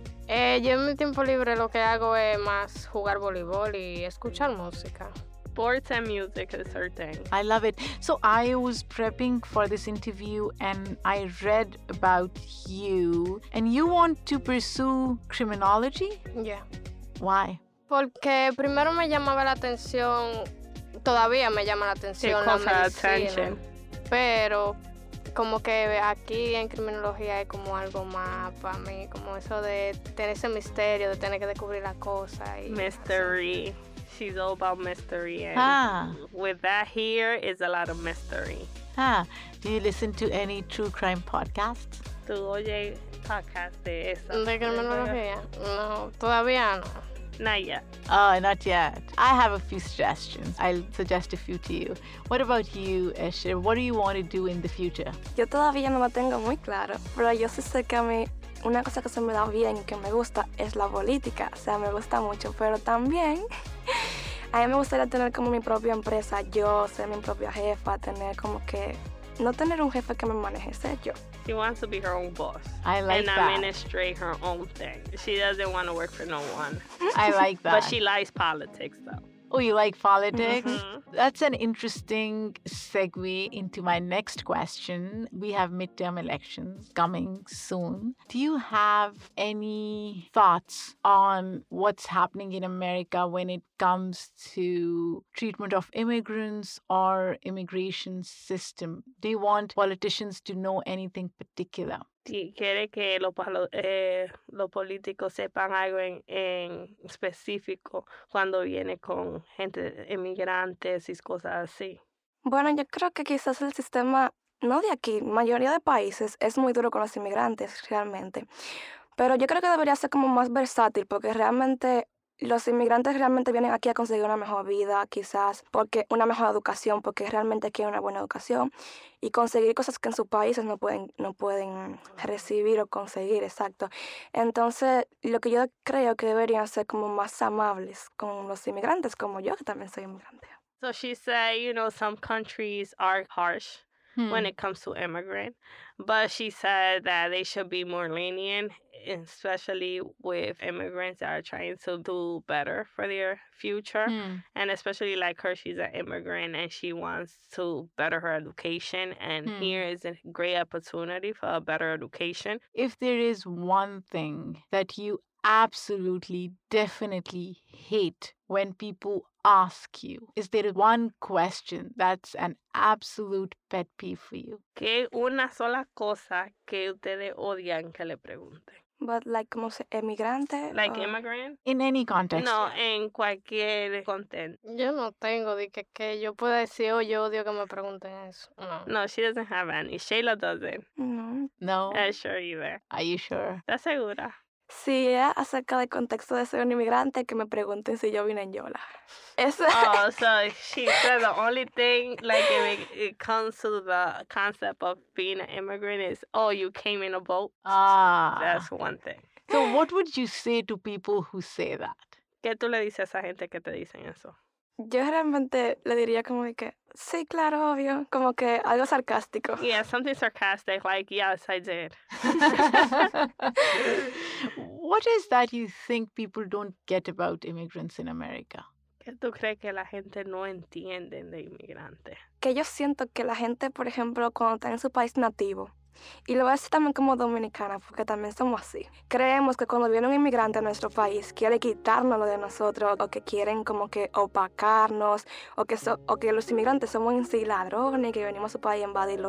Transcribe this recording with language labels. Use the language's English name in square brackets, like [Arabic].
[Spanish] Yo en mi tiempo libre lo que hago es más jugar voleibol y escuchar música. [English] Sports and music is her thing. I love it. So I was prepping for this interview and I read about you and you want to pursue criminology? Yeah. Why? [Spanish] Porque primero me llamaba la atención, todavía me llama la [English] It [Spanish] atención la [English] calls her attention. [Spanish] pero como que aquí en criminología es como algo más para mí, como eso de tener ese misterio, de tener que descubrir la cosa y así. [English] Mystery. She's all about mystery, and Ah. with that, here is a lot of mystery. Ah. Do you listen to any true crime podcasts? [Spanish] ¿Tú oyes podcast de esa? ¿De criminología? No, todavía no. [English] Not yet. Oh, not yet. I have a few suggestions. I'll suggest a few to you. What about you, Esther? What do you want to do in the future? [Spanish] Yo todavía no lo tengo muy claro, pero yo sí sé que a mí una cosa que se me da bien y que me gusta es la política, o sea, me gusta mucho, pero también a mí me gustaría tener como mi propia empresa, yo ser mi propia jefa, tener como que no tener un jefe que me maneje, ser yo. [English] She wants to be her own boss I and like that. administrate her own thing. She doesn't want to work for no one. I like But that. she likes politics, though. Oh, you like politics? Mm-hmm. That's an interesting segue into my next question. We have midterm elections coming soon. Do you have any thoughts on what's happening in America when it comes to treatment of immigrants or immigration system? Do you want politicians to know anything particular? [Spanish] Sí, quiere que los políticos sepan algo en específico cuando viene con gente inmigrantes y cosas así. Bueno, yo creo que quizás el sistema, no de aquí, mayoría de países, es muy duro con los inmigrantes realmente. Pero yo creo que debería ser como más versátil porque realmente los inmigrantes realmente vienen aquí a conseguir una mejor vida, quizás porque una mejor educación, porque realmente quieren una buena educación y conseguir cosas que en sus países no pueden recibir o conseguir, exacto. Entonces, lo que yo creo que deberían ser como más amables con los inmigrantes, como yo, que también soy inmigrante. [English] So she said, you know, some countries are harsh when it comes to immigrant. But she said that they should be more lenient, especially with immigrants that are trying to do better for their future. Mm. And especially like her, she's an immigrant and she wants to better her education. And here is a great opportunity for a better education. If there is one thing that you absolutely, definitely hate when people ask you, is there one question that's an absolute pet peeve for you? [Spanish] ¿Qué una sola cosa que ustedes odian que le pregunten? [English] But like, [Spanish] como se, emigrante? [English] Like, or immigrant? In any context. [Spanish] No, en cualquier content. Yo no tengo, de que yo pueda decir, oh, yo odio que me pregunten eso. No. [English] No, she doesn't have any. Sheila doesn't. No. No. Not sure either. Are you sure? [Spanish] ¿Estás segura? Sí, acerca del contexto de ser un inmigrante, que me pregunten si yo vine en Yola. Eso. [English] Oh, so she said the only thing, like, if it comes to the concept of being an immigrant is, oh, you came in a boat. Ah. That's one thing. So what would you say to people who say that? [Spanish] ¿Qué tú le dices a esa gente que te dicen eso? Yo realmente le diría como de que, sí, claro, obvio, como que algo sarcástico. [English] Yeah, something sarcastic, like, yes, I did. What is that you think people don't get about immigrants in America? [Spanish] ¿Qué tú crees que la gente no entiende de inmigrante? Que yo siento que la gente, por ejemplo, cuando está en su país nativo, y lo voy a decir también como dominicana, porque también somos así. Creemos que cuando viene un inmigrante a nuestro país, quiere quitarnos lo de nosotros, o que quieren como que opacarnos, o que los inmigrantes somos en sí ladrones, que venimos a su país a invadirlo.